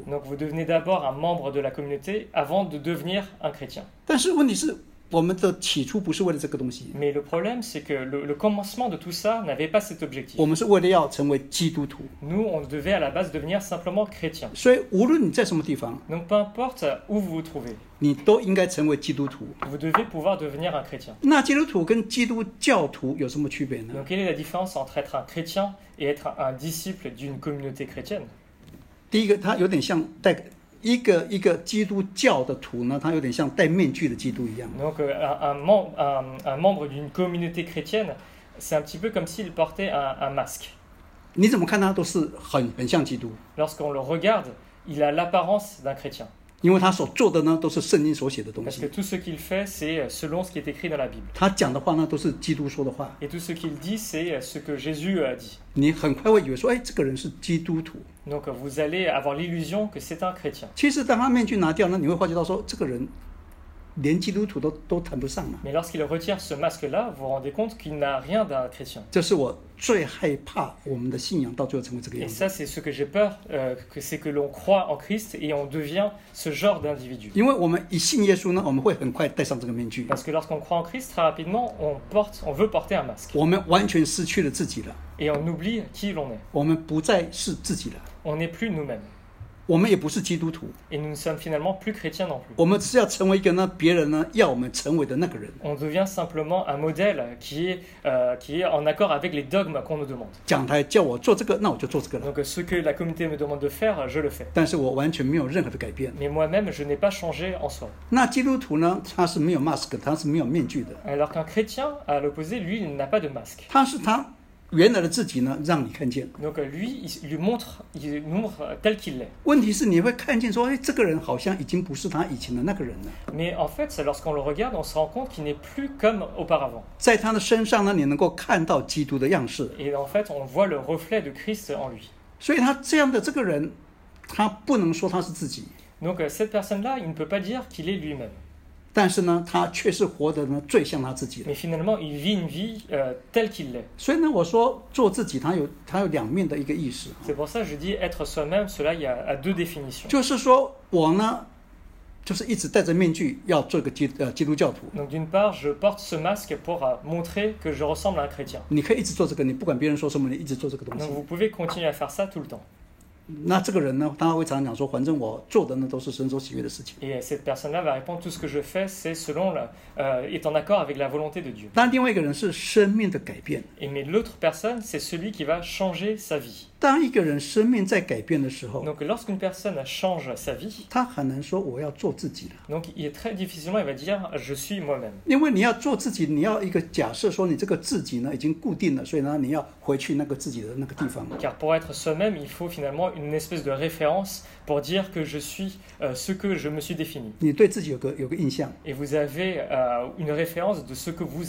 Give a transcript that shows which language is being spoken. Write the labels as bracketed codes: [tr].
[fr] Donc vous devenez d'abord un membre de la communauté avant de devenir un chrétien. [zh] 但是问题是，我们的起初不是为了这个东西。 [fr] Mais le problème c'est que le commencement de tout ça n'avait pas cet objectif. [zh] 我们是为了要成为基督徒。 [fr] Nous on devait à la base devenir simplement chrétien. [zh] 所以无论你在什么地方， [fr] donc peu importe où vous vous trouvez, [zh] 你都应该成为基督徒。 [fr] Vous devez pouvoir devenir un chrétien. [zh] 那基督徒跟基督教徒有什么区别呢？ [fr] Donc quelle est la différence entre être un chrétien et être un disciple d'une communauté chrétienne? [zh] 第一个，它有点像带一个基督教的徒呢，他有点像戴面具的基督一样。 [fr] Donc un membre d'une communauté chrétienne, c'est un petit peu comme s'il portait un masque. [zh] 你怎么看他都是很像基督。 [fr] Lorsqu'on le regarde, il a l'apparence d'un chrétien. [zh] 因为他所做的呢，都是圣经所写的东西。 [fr] Parce que tout ce qu'il fait, c'est selon ce qui est écrit dans la Bible. [zh] 他讲的话呢，都是基督说的话。 [fr] Et tout ce qu'il dit, c'est ce que Jésus a dit. [zh] 你很快会以为说，哎，这个人是基督徒。 [fr] Donc vous allez avoir l'illusion que c'est un chrétien. [zh] 其实当他面具拿掉呢，你会发觉到说，这个人连基督徒都谈不上了。 [fr] Mais lorsqu'il retire ce masque-là, vous vous rendez compte qu'il n'a rien d'un chrétien. [zh] 这是我最害怕我们的信仰到最后成为这个样子。 [fr] Et ça, c'est ce que j'ai peur, que c'est que l'on croit en Christ et on devient ce genre d'individu. [zh] 因为我们一信耶稣呢，我们会很快戴上这个面具。 [fr] Parce que lorsqu'on croit en Christ, très rapidement, on veut porter un masque. [zh] 我们完全失去了自己了。 [fr] Et on oublie qui l'on est. [zh] 我们不再是自己了。 [fr] On n'est plus nous-mêmes. [zh] 我们也不是基督徒。 [fr] Et nous ne sommes finalement plus chrétiens non plus. [zh] 我们只要成为一个呢，别人呢要我们成为的那个人。 [fr] On devient simplement un modèle qui est en accord avec les dogmes qu'on nous demande. [zh] 讲台叫我做这个，那我就做这个了。 [fr] Donc ce que la communauté me demande de faire, je le fais. [zh] 但是我完全没有任何的改变。 [fr] Mais moi-même, je n'ai pas changé en soi. [zh] 那基督徒呢，他是没有 mask， 他是没有面具的。 [fr] Alors qu'un chrétien, à l'opposé, lui, il n'a pas de masque. [zh] 他是他。原来的自己呢，让你看见。 [fr] Donc lui, il montre, tel qu'il est. [zh] 问题是你会看见说，哎，这个人好像已经不是他以前的那个人了。 [fr] Mais en fait, lorsqu'on le regarde, on se rend compte qu'il n'est plus comme auparavant. [zh] 在他的身上呢，你能够看到基督的样式。 [fr] Et en fait, on voit le reflet de Christ en lui. [zh] 所以他这样的这个人，他不能说他是自己。 [fr] Donc cette personne-là, il ne peut pas dire qu'il est lui-même. [zh] 但是呢，他却是活得最像他自己的。 [fr] Mais finalement, il vit une vie, telle qu'il est. [zh] 所以呢，我说做自己，他有两面的一个意思。 [fr] C'est pour ça que je dis être soi-même, cela il y a deux définitions. [zh] 就是说我呢，就是一直戴着面具要做个基督教徒。 [fr] Donc d'une part, je porte ce masque pour montrer que je ressemble à un chrétien. [zh] 你可以一直做这个，你不管别人说什么，你一直做这个东西。 [fr] Donc vous pouvez continuer à faire ça tout le temps. [zh] 那这个人呢，他会常讲说，反正我做的呢都是神所喜悦的事情。 [fr] Et cette personne-là va répondre tout ce que je fais, c'est selon la, est en accord avec la volonté de Dieu. [zh] 但另外一个人是生命的改变。 [fr] Et mais l'autre personne, c'est celui qui va changer sa vie. [zh] 当一个人生命在改变的时候 [fr] ，Donc lorsqu'une personne change sa vie, [zh] 他很难说我要做自己了。 [fr] Donc il est très difficilement, il va dire je suis moi-même. [zh] 因为你要做自己，你要一个假设说你这个自己呢已经固定了，所以呢你要回去那个自己的那个地方。 [fr] Car pour être soi-même, il faut finalement une espèce de référence pour dire que je suis ce que je me suis défini. [zh] 你对自己有个印象。 [fr] Et vous avez une référence de ce que vous êtes.